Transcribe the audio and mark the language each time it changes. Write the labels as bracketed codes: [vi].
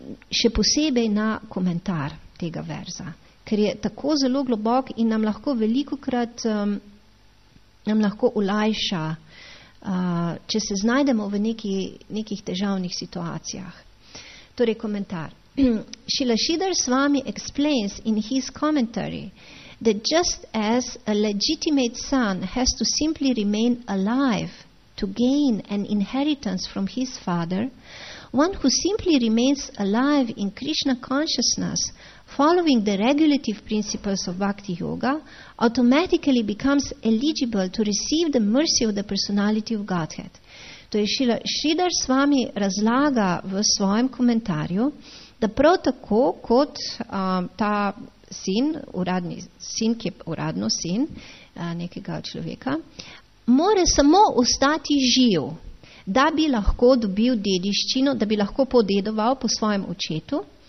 [sl] Še posebej na komentar tega verza, ker je tako zelo globok in nam lahko velikokrat nam lahko olajša, če se znajdemo v nekih težavnih situacijah. Torej, komentar. [en] Srila Sridhar Swami explains in his commentary that just as a legitimate son has to simply remain alive to gain an inheritance from his father, one who simply remains alive in Krishna consciousness following the regulative principles of Bhakti Yoga automatically becomes eligible to receive the mercy of the personality of Godhead. [sl] To je Sridhar Swami razlaga v svojem komentarju, da prav tako kot ta sin, uradni sin, ki je uradno sin nekega človeka, more samo ostati živ, da bi lahko dobil dediščino, da bi lahko podedoval po svojem očetu.